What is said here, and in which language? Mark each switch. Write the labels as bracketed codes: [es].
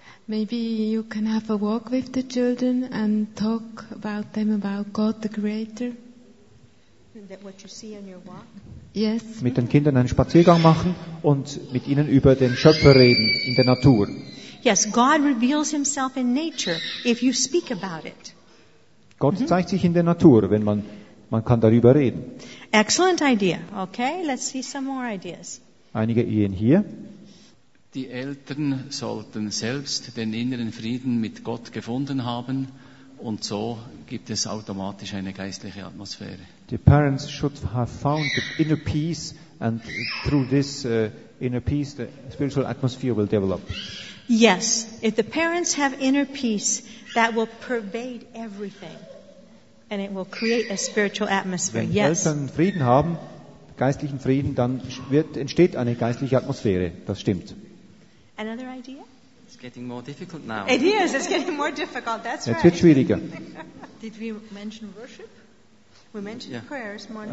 [en] Maybe you can have a walk with the children and talk about them, about God the Creator. That what you see on your walk? Yes. [de] Mit den Kindern einen Spaziergang machen und mit ihnen über den Schöpfer reden in der Natur. [en] Yes, God reveals himself in nature if you speak about it. [de] Gott mm-hmm. zeigt sich in der Natur, wenn man kann darüber reden. [en] Excellent idea. Okay, let's see some more ideas. [de] Einige Ideen hier. Die Eltern sollten selbst den inneren Frieden mit Gott gefunden haben und so gibt es automatisch eine geistliche Atmosphäre. [en] The parents should have found the inner peace and through this inner peace the spiritual atmosphere will develop. Yes, if the parents have inner peace, that will pervade everything and it will create a spiritual atmosphere. [de] Wenn Eltern Frieden haben, geistlichen Frieden, dann entsteht eine geistliche Atmosphäre. Das stimmt. [en] Another idea? It's getting more difficult now. It is. It's getting more difficult. That's [de] Jetzt [en] right. [de] Wird schwieriger. [en] Did we mention worship? We mentioned yeah. prayers morning